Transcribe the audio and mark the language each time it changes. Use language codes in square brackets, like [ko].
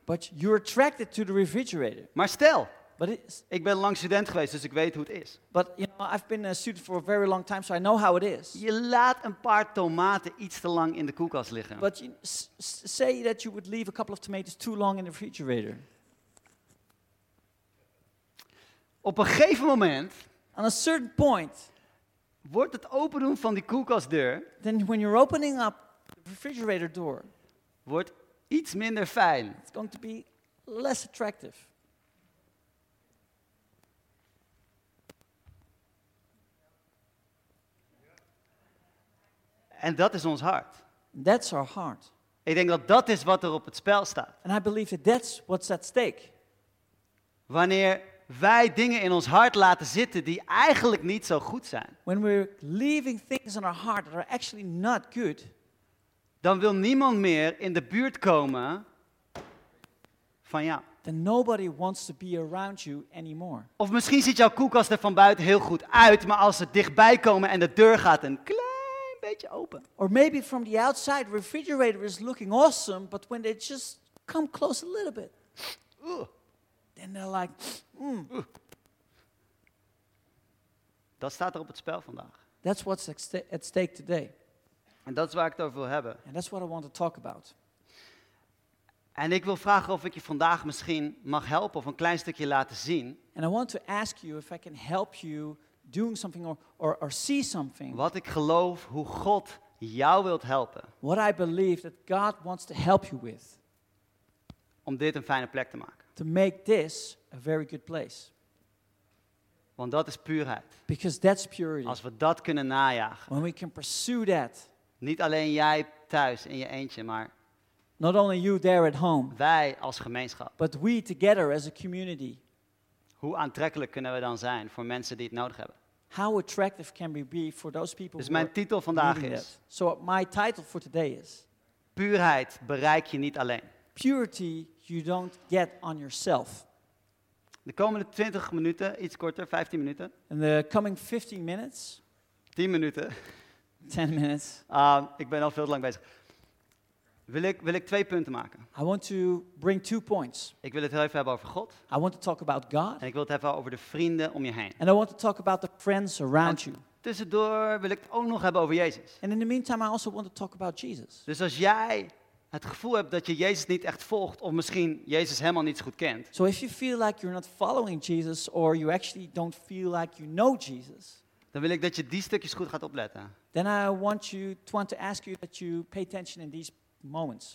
[en] But you're attracted to the refrigerator. [nl] Maar stel, ik ben lang student geweest, dus ik weet hoe het is. [en] But you know, I've been a student for a very long time, so I know how it is. [nl] Je laat een paar tomaten iets te lang in de koelkast liggen. [en] But you say that you would leave a couple of tomatoes too long in the refrigerator. [nl] Op een gegeven moment, [en] on a certain point, [nl] wordt het open doen van die koelkastdeur, [en] then when you're opening up the refrigerator door, [nl] wordt iets minder fijn. [en] It's going to be less attractive. [nl] En dat is ons hart. [en] That's our heart. [nl] Ik denk dat dat is wat er op het spel staat. [en] And I believe that that's what's at stake. [nl] Wanneer wij dingen in ons hart laten zitten die eigenlijk niet zo goed zijn. [en] When we're leaving things in our heart that are actually not good. [nl] Dan wil niemand meer in de buurt komen van jou. [en] Then nobody wants to be around you anymore. [nl] Of misschien ziet jouw koelkast er van buiten heel goed uit, maar als ze dichtbij komen en de deur gaat en klaar. Open. [en] Or maybe from the outside, refrigerator is looking awesome, but when they just come close a little bit, then they're like, [nl] Dat staat er op het spel vandaag. [en] That's what's at stake today. [nl] En dat is waar ik het over wil hebben. [en] And that's what I want to talk about. [nl] En ik wil vragen of ik je vandaag misschien mag helpen of een klein stukje laten zien. [en] And I want to ask you if I can help you doing something or see something. [nl] Wat ik geloof hoe God jou wilt helpen. [en] What I believe that God wants to help you with. [nl] Om dit een fijne plek te maken. [en] To make this a very good place. [nl] Want dat is puurheid. [en] Because that's purity. [nl] Als we dat kunnen najagen. [en] When we can pursue that. [nl] Niet alleen jij thuis in je eentje, maar [en] not only you there at home. [nl] Wij als gemeenschap. [en] But we together as a community. [nl] Hoe aantrekkelijk kunnen we dan zijn voor mensen die het nodig hebben? [en] How attractive can we be for those people? [nl] Dus mijn titel vandaag is. [en] So my title for today is. [nl] Puurheid bereik je niet alleen. [en] Purity you don't get on yourself. [nl] De komende 20 minuten, iets korter, 15 minuten. [en] In the coming 15 minutes. [nl] 10 minuten. [en] 10 minutes. [nl] Ik ben al veel te lang bezig. Wil ik twee punten maken. [en] I want to bring two points. [nl] Ik wil het heel even hebben over God. [en] I want to talk about God. [nl] En ik wil het hebben over de vrienden om je heen. [en] And I want to talk about the friends around you. [nl] Tussendoor wil ik het ook nog hebben over Jezus. [en] And in the meantime I also want to talk about Jesus. [nl] Dus als jij het gevoel hebt dat je Jezus niet echt volgt of misschien Jezus helemaal niet zo goed kent. [en] So if you feel like you're not following Jesus or you actually don't feel like you know Jesus. [nl] Dan wil ik dat je die stukjes goed gaat opletten. [en] Then I want you to ask you that you pay attention in these moments.